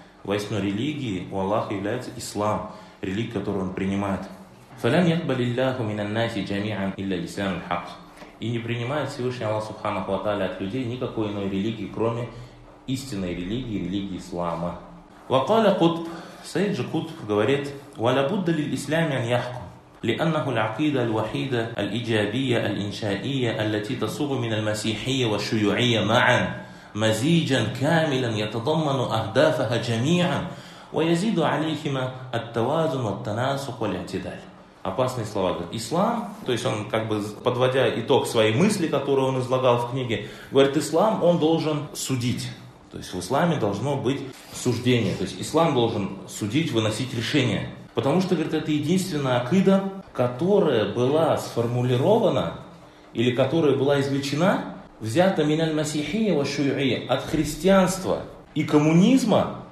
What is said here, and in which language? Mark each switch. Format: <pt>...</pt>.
<ru>Воистину религии у Аллаха является ислам, религия, которую он принимает.</ru> <ar>Фалян якбалу Аллаху мин ан-наси джамиан илля ислам аль-хак.</ar> <ru>И не принимает Всевышний Аллах Субханаху ва Тааля от людей никакой иной религии, кроме истинной религии, религии ислама.</ru> <ar>وقال قطب,</ar> <ru>Саид же Кутб говорит:</ru> <ar>ولابد للإسلام أن يحكم لأنه العقيدة الوحيدة الإيجابية الإنشائية التي تصوغ من المسيحية والشيوعية معا مزيجا كاملا يتضمن أهدافها جميعا ويزيد عليهما التوازن والتناسق والاعتدال.</ar> <ru>Опасные слова. Ислам, то есть он как бы подводя итог своей мысли, которую он излагал в книге, говорит, ислам, он должен судить. То есть в исламе должно быть суждение. То есть ислам должен судить, выносить решение. Потому что, говорит, это единственная акида, которая была сформулирована или которая была извлечена, взята</ru> <ar>миналь масихия ва шуйи,</ar> <ru>от христианства и коммунизма,</ru>